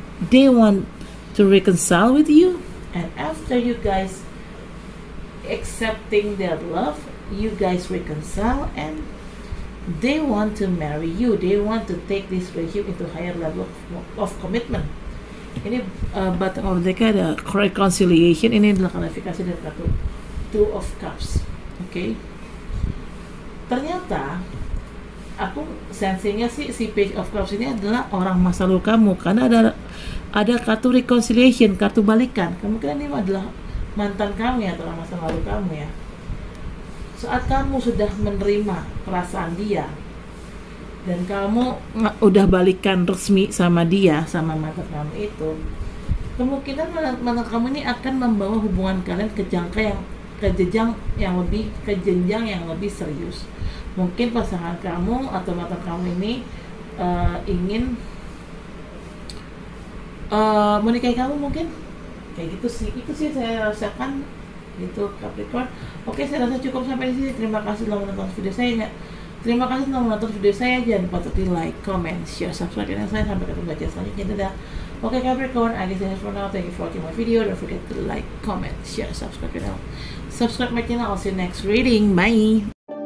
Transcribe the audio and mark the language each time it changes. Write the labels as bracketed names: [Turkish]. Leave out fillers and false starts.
[English] They want to reconcile with you. And after you guys accepting their love, you guys reconcile and they want to marry you. They want to take this relationship into higher level of commitment. [Indonesian] Ini [English] bottom of the deck [Indonesian] ada [English] reconciliation. [Indonesian] Ini adalah klarifikasi dari kartu Two of Cups. Okay. Ternyata aku sensingnya sih si Page of Cups ini adalah orang masa lalu kamu, karena ada kartu reconciliation, kartu balikan. Kemungkinan ini adalah mantan kamu ya, atau masa lalu kamu ya. Saat kamu sudah menerima perasaan dia dan kamu udah balikan resmi sama dia, sama mantan kamu itu, kemungkinan mantan kamu ini akan membawa hubungan kalian ke jenjang yang lebih serius. Mungkin pasangan kamu atau mantan kamu ini ingin menikahi kamu mungkin. Kayak gitu sih. Itu sih saya rasakan gitu Capricorn. Oke, saya rasa cukup sampai di sini. Terima kasih telah menonton video saya. Ya. Terima kasih telah menonton video saya. Jangan lupa untuk di-like, comment, share, subscribe dan saya sampai ketemu lagi selanjutnya. Dadah. Oke [English] Capricorn, I guess that's for now. Thank you for watching my video. Don't forget to like, comment, share, subscribe channel. Subscribe my channel. I'll see you next reading. Bye.